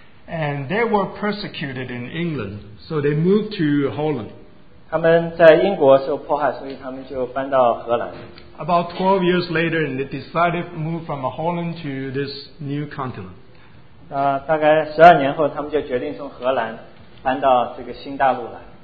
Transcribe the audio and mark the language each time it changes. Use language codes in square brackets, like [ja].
[en] And they were persecuted in England, so they moved to Holland. [zh] 他们在英国受迫害，所以他们就搬到荷兰. [en] About 12 years later, and they decided to move from Holland to this new continent. [zh] 大概12年后，他们就决定从荷兰搬到这个新大陆来.